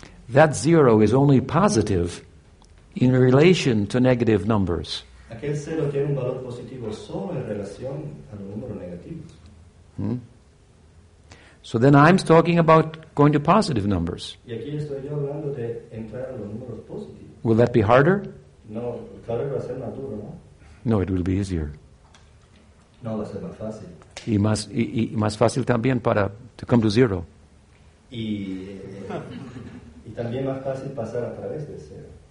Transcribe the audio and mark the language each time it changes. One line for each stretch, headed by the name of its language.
English: That zero is only positive in relation to negative numbers.
Spanish: Aquel cero tiene un valor positivo solo en relación a los números negativos.
English: So then I'm talking about going to positive numbers.
Spanish: Y aquí estoy yo hablando de entrar a los números positivos.
English: Will that be harder?
Spanish: No, claro que va a ser más duro, ¿no?
English: No, it will be easier.
Spanish: No, va a ser más fácil. Y más fácil también para
English: to come to zero.
Spanish: Y también más fácil pasar a través de cero.